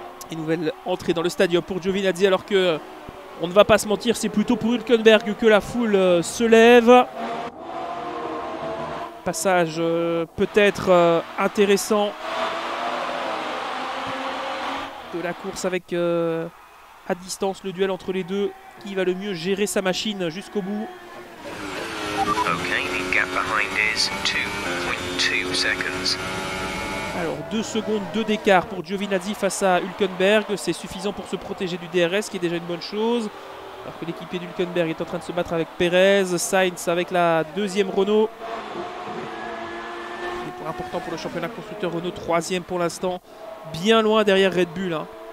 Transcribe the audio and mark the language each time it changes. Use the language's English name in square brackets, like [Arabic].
[French] Et nouvelle entrée dans le stade pour Giovinazzi, alors que on ne va pas se mentir, c'est plutôt pour Hülkenberg que la foule se lève. Passage peut-être intéressant de la course avec à distance le duel entre les deux. Qui va le mieux gérer sa machine jusqu'au bout. [English] Ok, the gap behind is 2.2 seconds. [French] Alors 2 secondes, 2 d'écart pour Giovinazzi face à Hülkenberg. C'est suffisant pour se protéger du DRS, qui est déjà une bonne chose. Alors que l'équipier d'Hülkenberg est en train de se battre avec Perez, Sainz avec la deuxième Renault. Les point important pour le championnat constructeur. Renault 3ème pour l'instant, bien loin derrière Red Bull, hein.